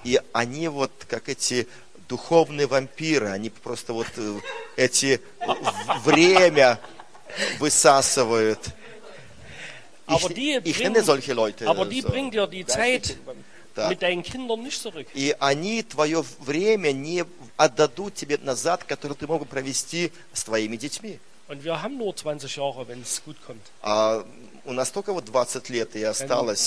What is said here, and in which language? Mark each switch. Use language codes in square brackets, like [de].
[ru] И они вот как эти духовные вампиры, они просто вот эти время высасывают. [de] Aber die ich nenne solche Leute. Aber die so, bringen dir die Zeit. Mit deinen Kindern nicht zurück. [ru] И они твое время не отдадут тебе назад, которое ты мог провести с твоими детьми. [de] Und wir haben nur 20 Jahre, wenn es gut kommt. [ru] А у нас только вот 20 лет и осталось.